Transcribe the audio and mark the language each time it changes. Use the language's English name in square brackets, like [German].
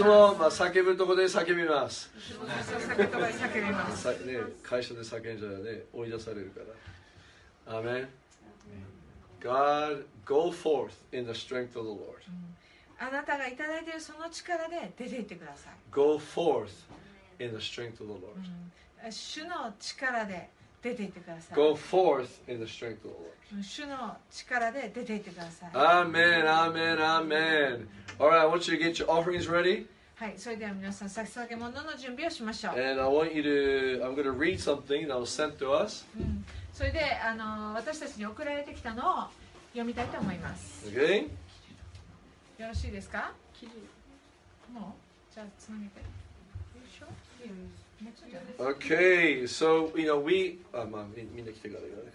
[Japanese] いつも、まあ、叫ぶところで叫びます、いつも叫ぶところで叫びます、ね、会社で叫んじゃね追い出されるから。アーメン。 [English] God, go forth in the strength of the Lord. [Japanese] あなたがいただいているその力で出て行ってください。 [English] Go forth in the strength of the Lord. [Japanese] 主の力で出て行ってください。 [English] Go forth in the strength of the Lord. [Japanese] 主の力で出て行ってください。 [English] Amen, amen, amen. All right, I want you to get your offerings ready. [Japanese] はい、それでは皆さん、捧げ物の準備をしましょう。 [English] And I want you to, I'm going to read something that was sent to us. [Japanese] それで、私たちに送られてきたのを読みたいと思います。 [English] Okay? [Japanese] よろしいですか？もう？じゃあつなげて。よいしょ。めっちゃ Okay, so, you know, we... あ、まあ、みんな来てからよ。